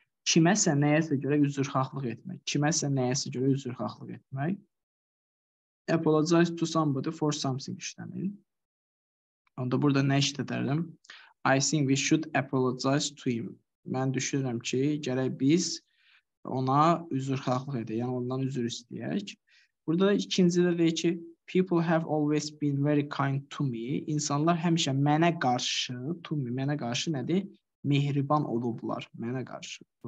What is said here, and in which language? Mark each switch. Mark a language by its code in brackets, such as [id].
[az] Kiməsə nəyəsə görə üzrxahlıq etmək. Kiməsə nəyəsə görə üzrxahlıq etmək. [en] Apologize to somebody for something [az] işlənir. Onda burada nə işlədərdim? [en] I think we should apologize to him. [az] Mən düşünürəm ki, gərək biz ona üzrxahlıq edək. Yəni ondan üzr istəyək. Burada ikinci də deyir ki, [en] People have always been very kind to me. [az] İnsanlar həmişə mənə qarşı, [en] to me, [az] mənə qarşı nədir? Mehriban olublar, mənə qarşı.